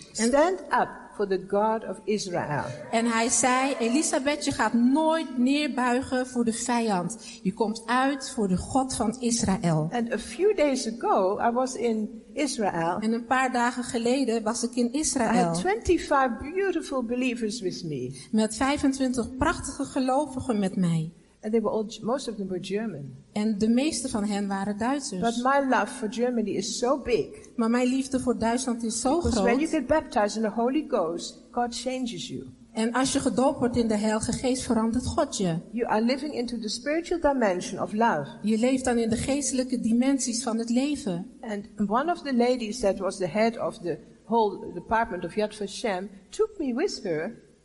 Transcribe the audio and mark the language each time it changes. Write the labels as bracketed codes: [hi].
[en] Stand up. For the God of Israel. [nl] En hij zei, Elisabeth, je gaat nooit neerbuigen voor de vijand. Je komt uit voor de God van Israël. [en] And a few days ago, I was in Israel. [nl] En een paar dagen geleden was ik in Israël. [en] I had 25 beautiful believers with me. [nl] Met 25 prachtige gelovigen met mij. [en] And they were all, most of them were German. [nl] En de meeste van hen waren Duitsers. [en] But my love for Germany is so big. [nl] Maar mijn liefde voor Duitsland is zo [en] because [nl] groot. [en] When you get baptized in the Holy Ghost, God changes you. [nl] En als je gedoopt wordt in de Heilige Geest, verandert God je. [en] You are living into the spiritual dimension of love. [nl] Je leeft dan in de geestelijke dimensies van het leven. [en] And one of the ladies that was the head of the whole department of Yad Vashem took me with her.